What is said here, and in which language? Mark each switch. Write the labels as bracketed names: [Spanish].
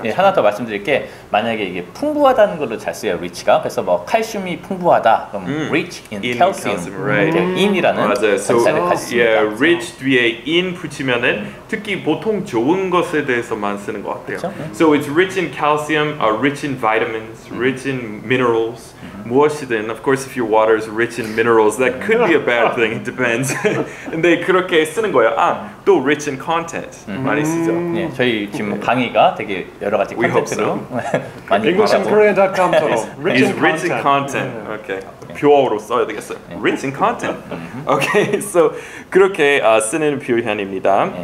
[Korean] 네, 하나 더 말씀드릴 게 만약에 이게 풍부하다는 걸로 잘 쓰여요, rich가. 그래서 뭐 칼슘이 풍부하다. [English] 그럼 rich in calcium, right? [Korean] in이라는 전치사를 가지고 있다. rich 뒤에 in 붙이면은 특히 보통 좋은 것에 대해서만 쓰는 것 같아요. 그쵸? [English] So it's rich in calcium, rich in vitamins, rich in minerals. 무엇이든, of course, if your water is rich in minerals, that could be a bad thing. It depends. [Korean] 근데 그렇게 쓰는 거예요. 아, 또 rich in content 많이 쓰죠. 네, 저희 지금 강의가 되게 여러 가지 컨텐츠로 많이 [English] EnglishInKorea.com 처럼 rich in content. In content. Okay. [Korean] 표어로 써야 되겠어요. [English] Rich in content. [Korean] Okay, so 그렇게 쓰는 표현입니다.